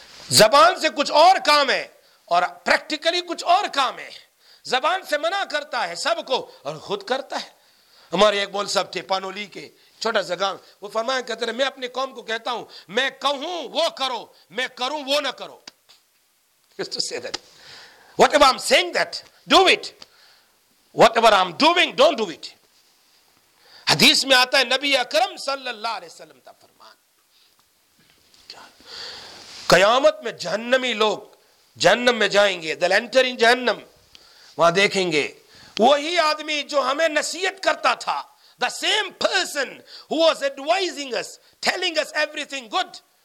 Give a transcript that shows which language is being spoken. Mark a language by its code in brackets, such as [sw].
[ur] زبان سے کچھ اور کام ہے اور پریکٹیکلی کچھ اور کام ہے. زبان سے منع کرتا ہے سب کو اور خود کرتا ہے. ہمارے ایک بول صاحب تھے پانولی کے, چھوٹا سا گاؤں, وہ فرمایا کہتے ہیں میں اپنی قوم کو کہتا ہوں میں کہوں وہ کرو, میں کروں وہ نہ کرو. [en] Just to say that. Whatever I'm saying that, do it. Whatever I'm doing, don't do it. [ur] حدیث میں آتا ہے نبی اکرم صلی اللہ علیہ وسلم کا فرمان, قیامت میں جہنمی لوگ جہنم میں جائیں گے, [en] they'll enter in [ur] جہنم, وہاں دیکھیں گے وہی آدمی جو ہمیں نصیحت کرتا تھا, [en] the same person who was advising us, telling us every thing good